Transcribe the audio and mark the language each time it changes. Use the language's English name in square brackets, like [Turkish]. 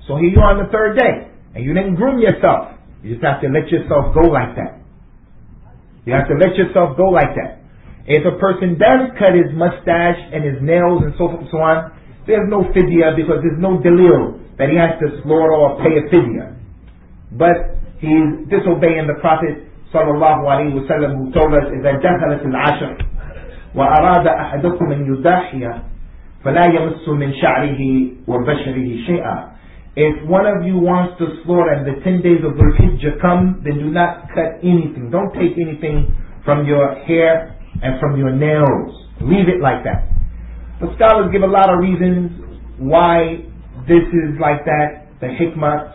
[English] So here you are on the 3rd day. And you didn't groom yourself. You just have to let yourself go like that. You have to let yourself go like that. If a person does cut his mustache and his nails and so forth and so on, there's no fidya, because there's no dalil that he has to slaughter or pay a fidya. But he's disobeying the Prophet sallallahu alaihi wasallam, who told us, [Arabic] إِذَا جَهَلَتِ الْعَشَرِ وَأَرَادَ أَحَدُكُمْ أَنْ يُضَحِيَ فَلَا يَمَسُّ مِنْ شَعْرِهِ وَبَشَرِهِ شَيْئًا. [English] If one of you wants to slaughter and the 10 days of Dhul-Hijjah come, then do not cut anything. Don't take anything from your hair and from your nails. Leave it like that. The scholars give a lot of reasons why this is like that, the hikmah.